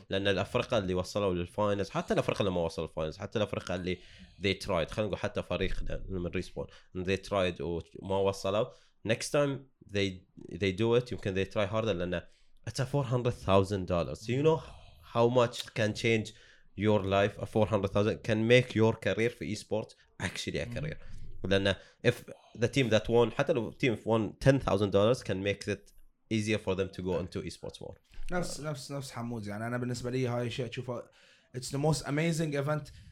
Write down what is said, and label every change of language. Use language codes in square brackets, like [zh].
[ar] لأن الأفرقة اللي وصلوا للفاينلز حتى الأفرقة اللي ما وصلوا للفاينلز حتى الأفرقة اللي [en] they tried [ar] خلينا نقول حتى فريقنا من ريسبون they tried وما وصلوا [en] next time they do it [ar] يمكن [en] they try harder [ar] لأن [en] it's a $400,000. You know how much can change your life? A 400,000 can make your career for esports actually a career. Then if the team that won, [ar] حتى لو [en] team won $10,000 can make it easier for them to go into esports more. [ar] نفس حمود يعني أنا بالنسبة لي هاي الشيء أشوفه [en] it's the most amazing event.